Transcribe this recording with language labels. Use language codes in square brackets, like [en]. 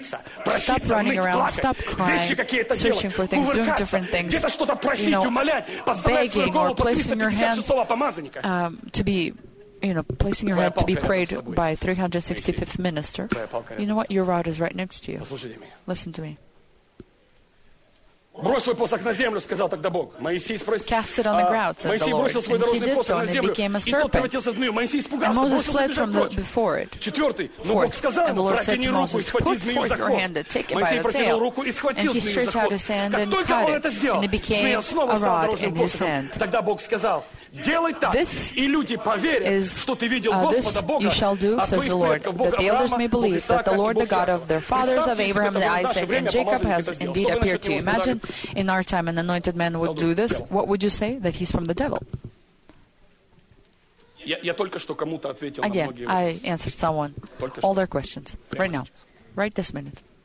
[en] Stop running around. Stop crying. Searching for things. Doing different things, you know, begging or placing your hands to be, you know, placing your hand to be prayed by 365th minister. You know what? Your rod is right next to you. Listen to me. [ru] Брось свой посох на землю, сказал тогда Бог. Моисей спросил. [en] Cast it on the ground, says the Lord. And he did so, and it became a serpent. And Moses fled from before it. Fourth. And the Lord said to Moses, put forth your hand and take it by the tail. And he stretched out his hand and cut it. And it became a rod in his hand. [ru] Тогда Бог сказал, делай так, [en] this [ru] и люди поверят, что ты видел Господа Бога, [en] you shall do, says the Lord, that the elders may believe that the Lord, the God of their fathers, of Abraham, and Isaac, and Jacob, has indeed appeared to you. Imagine in our time an anointed man would do this. What would you say? That he's from the devil. Again, I answered someone all their questions right now, right this minute.